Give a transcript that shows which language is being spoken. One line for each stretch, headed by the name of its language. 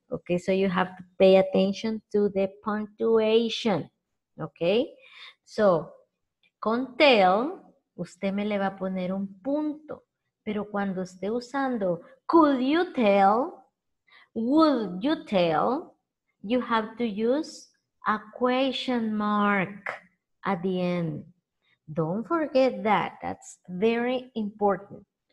English: Okay, so you have to pay attention to the punctuation.
Spanish: Okay, so con tell, usted me le va a poner un punto. Pero cuando esté usando
English: could you tell, would you tell, you have to use a question mark at the end. Don't forget that. That's very important.